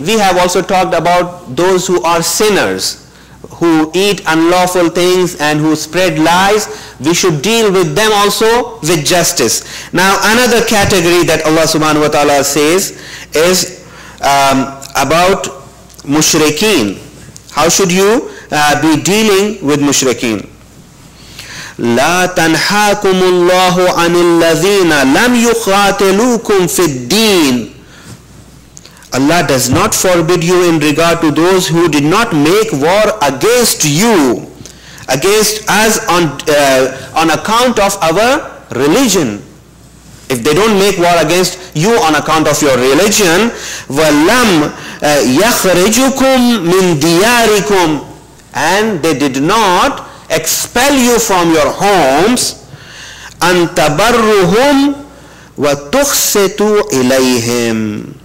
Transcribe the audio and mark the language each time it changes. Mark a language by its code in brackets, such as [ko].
[en] We have also talked about those who are sinners, who eat unlawful things and who spread lies. We should deal with them also with justice. Now, another category that Allah subhanahu wa ta'ala says is about mushrikeen. How should you be dealing with mushrikeen? [ar] لا تنحاكم الله عن الذين لم يقاتلوكم في الدين. [en] Allah does not forbid you in regard to those who did not make war against you, against us on account of our religion. If they don't make war against you on account of your religion, [ar] ولم يخرجكم من دياركم, [en] and they did not expel you from your homes, and [ar] tabarruhum wa tuhsitu ilayhim.